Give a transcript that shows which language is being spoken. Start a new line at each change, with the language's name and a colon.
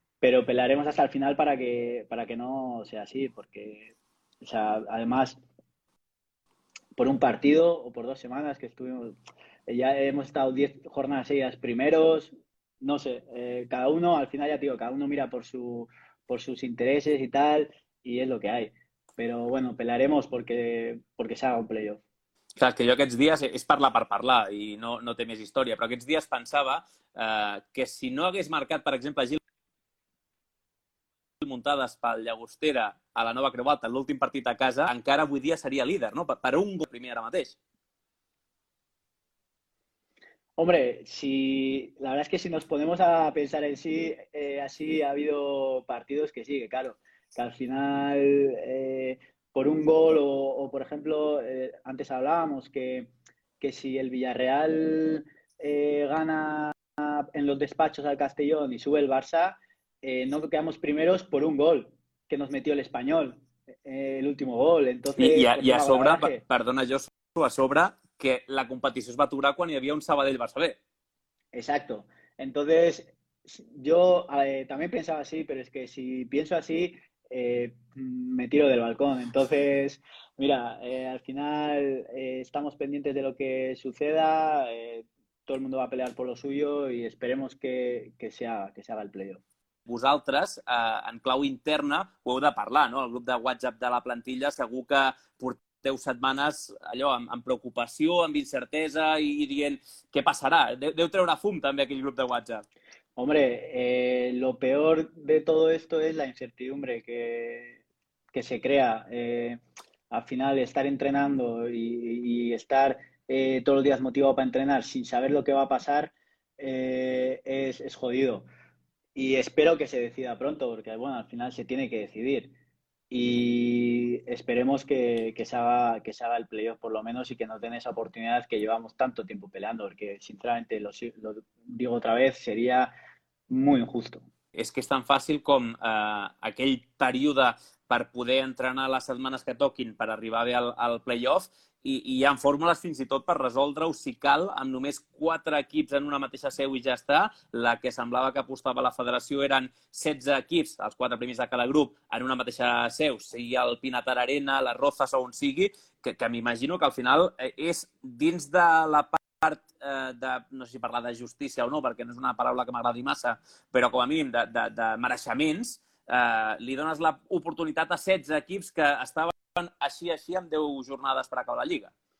Spanish: Pero pelearemos hasta el final para que no sea así, porque, o sea, además, por un partido o por 2 semanas que estuvimos, ya hemos estado 10 jornadas seguidas primeros, no sé, cada uno, al final ya digo, cada uno mira por sus intereses y tal, y es lo que hay. Pero bueno, pelearemos porque se haga un playoff.
Catalan: Clar, que jo aquests dies, és parlar per parlar i no, no té més història, però aquests dies pensava que si no hagués marcat, per exemple, Gil Muntadas pel Llagostera a la Nova Creu Alta, l'últim partit a casa, encara avui dia seria líder, no? Per un gol primer ara mateix.
Spanish: Hombre, si la verdad es que si nos ponemos a pensar en sí, así ha habido partidos que sí, que claro, que al final por un gol o por ejemplo, antes hablábamos que si el Villarreal gana en los despachos al Castellón y sube el Barça, no quedamos primeros por un gol que nos metió el Español, el último gol.
Catalan: I
Spanish: Entonces, pues a toma sobre, bagaje.
Catalan: perdona, Josu, a sobre que la competició es va aturar quan hi havia un Sabadell-Barça.
Spanish: Exacto. Entonces, yo también pensaba así, pero es que si pienso así, me tiro del balcón. Entonces, mira, al final estamos pendientes de lo que suceda, todo el mundo va a pelear por lo suyo y esperemos que se haga el playoff.
Catalan: Vosaltres, en clau interna, ho heu de parlar, no? El grup de WhatsApp de la plantilla segur que porteu setmanes allò amb preocupació, amb incertesa i dient què passarà. Deu treure fum també aquell grup de WhatsApp.
Spanish: Hombre, lo peor de todo esto es la incertidumbre que se crea. Al final, estar entrenando y estar todos los días motivado para entrenar sin saber lo que va a pasar es jodido. Y espero que se decida pronto, porque bueno, al final se tiene que decidir. Y esperemos que se haga el playoff por lo menos y que no den esa oportunidad que llevamos tanto tiempo peleando, porque sinceramente lo digo otra vez, sería muy injusto.
Catalan: És que és tan fàcil com aquell període per poder entrenar les setmanes que toquin per arribar bé al playoff i hi ha fórmules fins i tot per resoldre-ho si cal amb només quatre equips en una mateixa seu i ja està. La que semblava que apostava la federació eren 16 equips, els quatre primers de cada grup, en una mateixa seu, sigui el Pinatar Arena, les Roces o on sigui, que m'imagino que al final és dins de la part de, no sé si parlar de justícia o no, perquè no és una paraula que m'agradi massa, però com a mínim de mereixements, li dones l'oportunitat a 16 equips que estaven així, així, amb 10 jornades per acabar la Lliga.